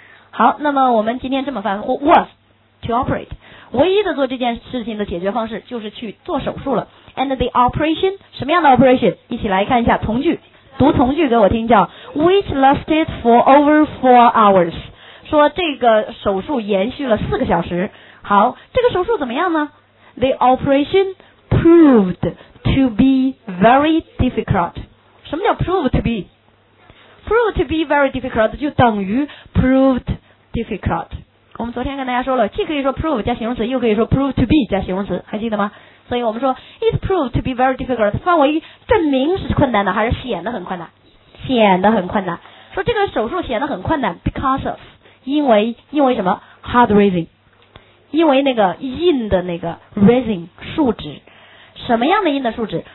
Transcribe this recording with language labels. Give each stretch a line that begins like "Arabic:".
Chinese: 好，那么我们今天这么翻
English: was to operate，
Chinese: 唯一的做这件事情的解决方式就是去做手术了。
English: and the operation，
Chinese: 什么样的 operation， 一起来看一下从句，读从句给我听，叫
English: which lasted for over 4 hours，
Chinese: 说这个手术延续了4个小时。好，这个手术怎么样呢？
English: the operation proved to be very difficult。
Chinese: 什么叫 prove to be？ prove to be very difficult 就等于 proved difficult。我们昨天跟大家说了，既可以说 prove 加形容词，又可以说 prove to be 加形容词，还记得吗？所以我们说
English: it proved to be very difficult，
Chinese: 范围证明是困难的还是显得很困难，显得很困难，说这个手术显得很困难，
English: because of，
Chinese: 因为什么 hard raising， 因为那个硬的那个 raising 树脂，什么样的硬的树脂？